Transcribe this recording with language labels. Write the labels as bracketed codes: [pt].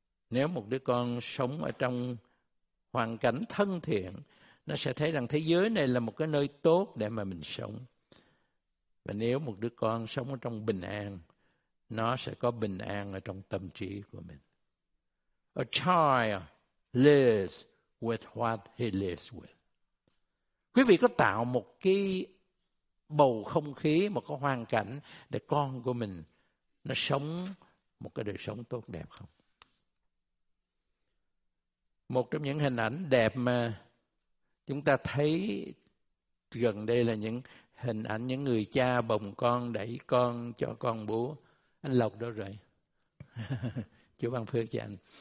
[vi] Nếu một đứa con sống ở trong hoàn cảnh thân thiện, nó sẽ thấy rằng thế giới này là một cái nơi tốt để mà mình sống. Và nếu một đứa con sống ở trong bình an, nó sẽ có bình an ở trong tâm trí của mình. [en] A child lives with what he lives with. [vi] Quý vị có tạo một cái bầu không khí, một cái hoàn cảnh để con của mình nó sống một cái đời sống tốt đẹp không? Một trong những hình ảnh đẹp mà chúng ta thấy gần đây là những hình ảnh những người cha bồng con, đẩy con, cho con bú. Anh Lộc đâu rồi? Chúa ban phước cho anh.